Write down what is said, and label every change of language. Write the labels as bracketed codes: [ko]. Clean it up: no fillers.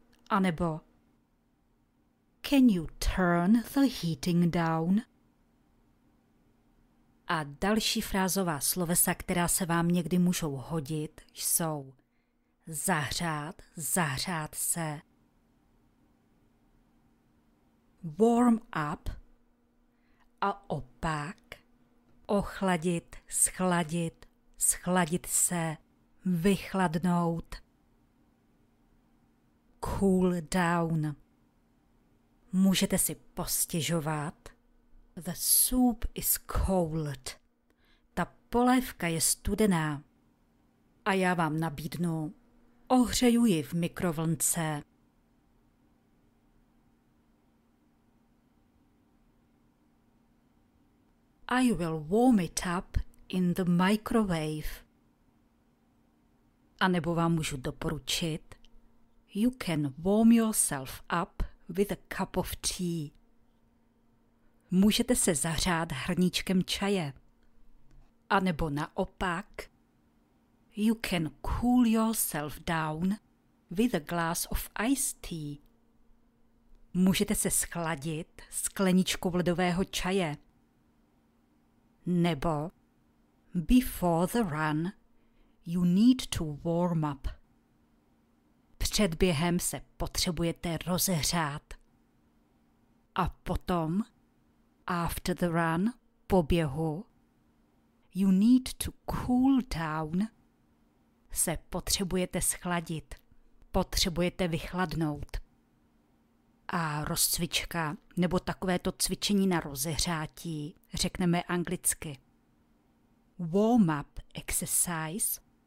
[cs] A nebo [en] can you turn the heating down? [cs] A další frázová slovesa, která se vám někdy můžou hodit, jsou zahřát, zahřát se. [en] Warm up [cs] a opak ochladit, schladit, schladit se, vychladnout. [en] Cool down. [cs] Můžete si postěžovat. [en] The soup is cold. [cs] Ta polévka je studená. A já vám nabídnu. Ohřeju ji v mikrovlnce. [en] I will warm it up in the microwave. [cs] A nebo vám můžu doporučit. [en] You can warm yourself up with a cup of tea. [cs] Můžete se zahřát hrníčkem čaje. A nebo naopak. [en] You can cool yourself down with a glass of iced tea. [cs] Můžete se schladit skleničkou ledového čaje. Nebo [en] before the run, you need to warm up. [cs] Před během se potřebujete rozehřát. A potom, [en] after the run, [cs] po běhu, [en] you need to cool down, [cs] se potřebujete schladit, potřebujete vychladnout. A rozcvička nebo takovéto cvičení na rozehřátí řekneme anglicky [en] warm-up exercise.